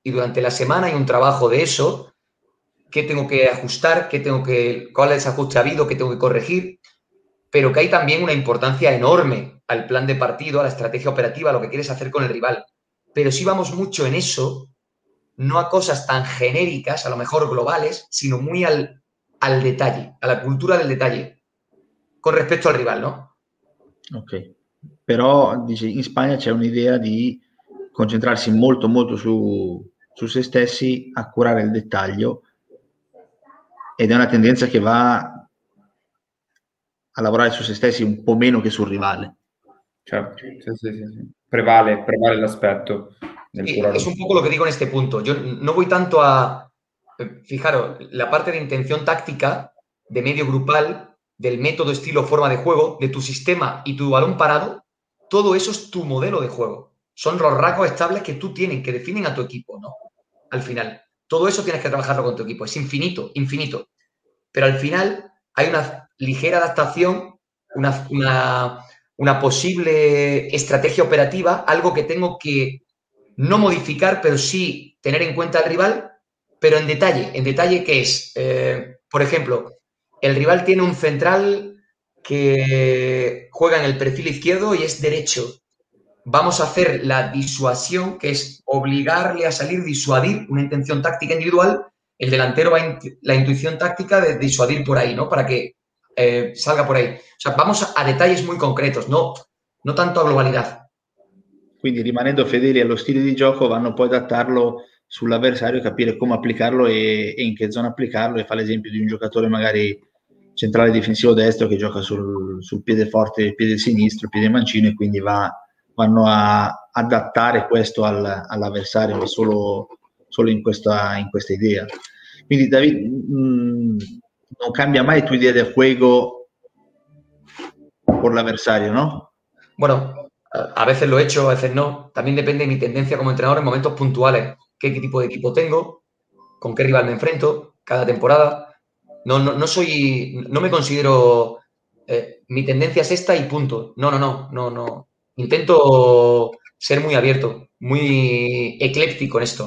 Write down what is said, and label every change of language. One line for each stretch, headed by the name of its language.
Spanish: Y durante la semana hay un trabajo de eso, qué tengo que ajustar, cuál desajuste ha habido, qué tengo que corregir, pero que hay también una importancia enorme al plan de partido, a la estrategia operativa, a lo que quieres hacer con el rival. Pero sí vamos mucho en eso, no a cosas tan genéricas, a lo mejor globales, sino muy al detalle, a la cultura del detalle, con respecto al rival, ¿no?
Italian: Ok,
Spanish: pero dice, en España
Italian: c'è un'idea di concentrarsi molto molto su se stessi, a curare il dettaglio, ed è una tendenza che va a lavorare su se stessi un po' meno che sul rivale. Certo, sì. Prevale l'aspetto del curare. È un po' quello che dico in questo punto. Io non
Spanish: voy tanto a fijaro
Italian: la parte di intenzione tattica, di medio grupal, del metodo, stile, forma di gioco, di tuo sistema e tuo balón parado, tutto
Spanish: eso es
Italian: tu modello di gioco.
Spanish: Son los rasgos estables que tú tienes, que definen a tu equipo, ¿no? Al final, todo eso tienes que trabajarlo con tu equipo. Es infinito, infinito. Pero al final hay una ligera adaptación, una posible estrategia operativa, algo que tengo que no modificar, pero sí tener en cuenta al rival, pero en detalle qué es. Por ejemplo, el rival tiene un central que juega en el perfil izquierdo y es derecho. Vamos a hacer la disuasión, que es obligarle a salir, disuadir, una intención táctica individual. El delantero va a la intuición táctica de disuadir por ahí, ¿no? Para que salga por ahí. O sea, vamos a detalles muy concretos, no tanto a globalidad.
Italian: Quindi, rimanendo fedeli allo stile di gioco, vanno poi adattarlo sull'avversario, capire come applicarlo e in che zona applicarlo. E fa l'esempio di un giocatore magari centrale difensivo destro che gioca sul piede forte, piede sinistro, piede mancino, e quindi vanno a adattare questo all'avversario, ma solo in questa idea. Quindi, David, non cambia mai tua idea del gioco con l'avversario, no?
Spanish: Bueno, a veces lo he hecho, a veces no. También depende de mi tendencia como entrenador en momentos puntuales. ¿Qué tipo de equipo tengo? ¿Con qué rival me enfrento cada temporada? No me considero mi tendencia es esta y punto. No. Intento ser muy abierto, muy ecléctico en esto.